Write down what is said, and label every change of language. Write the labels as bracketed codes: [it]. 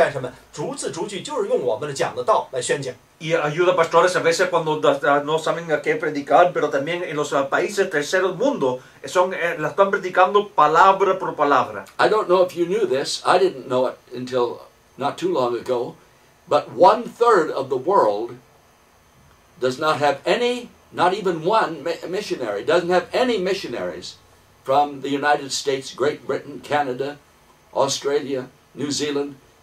[zh] 要知道很多的牧师，当他们自己根本就没有不知道要宣讲什么的时候呢，通过网站可以得到一些启发。很多在第三世界国家那些教会的牧师，通过我们网站上面逐字逐句，就是用我们的讲的道来宣讲。 [es] Y ayuda pastores a veces cuando no saben a qué predicar, pero también en los países tercer mundo la están predicando palabra por palabra. [en] I don't know if you knew this. I didn't know it until not too long ago, but 1/3 of the world does not have any, not even one missionary, doesn't have any missionaries from the United States, Great Britain, Canada, Australia, New Zealand.